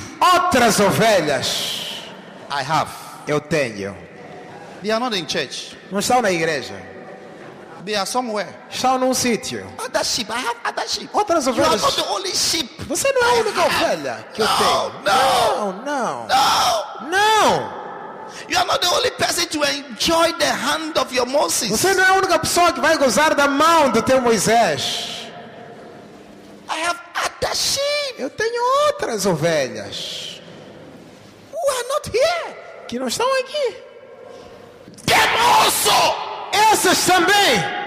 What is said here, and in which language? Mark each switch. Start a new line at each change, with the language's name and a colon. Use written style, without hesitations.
Portuguese: outras ovelhas.
English: I have.
Portuguese: Eu tenho.
English: They are not in church.
Portuguese: Não estão na igreja.
English: They are somewhere.
Portuguese: Estão num sítio.
English: Other sheep, I have other sheep.
Portuguese: Outras ovelhas.
English: You are not the only sheep.
Portuguese: Você não é a única ovelha que eu tenho.
English: No. You are not the only person to enjoy the hand of your Moses.
Portuguese: Você não é a única pessoa que vai gozar da mão do teu Moisés.
English: I have other sheep.
Portuguese: Eu tenho outras ovelhas.
English: Who are not here?
Portuguese: Que não estão aqui.
English: Them also.
Portuguese: Essas também.